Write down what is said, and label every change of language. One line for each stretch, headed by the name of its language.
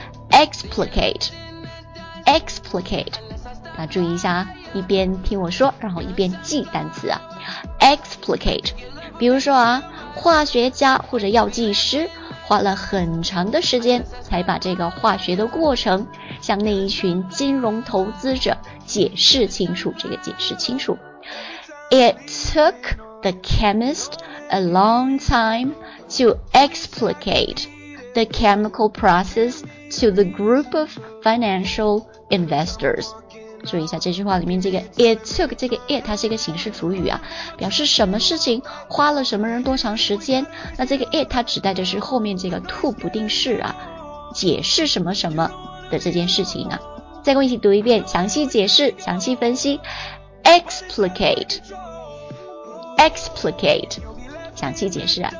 Chinese: explicate， explicate， 大家注意一下啊，一边听我说然后一边记单词啊。 explicate， 比如说啊，化学家或者药剂师花了很长的时间才把这个化学的过程向那一群金融投资者解释清楚，这个解释清楚。
English: It took the chemist a long time to explicate the chemical process to the group of financial investors.
Chinese: 注意一下这句话里面这个 it took， 这个 it 它是一个形式主语啊，表示什么事情花了什么人多长时间，那这个 it 它指代的是后面这个 to 不定式啊，解释什么什么的这件事情啊。再跟我一起读一遍，详细解释，详细分析。Explicate， Explicate， 详细解释啊。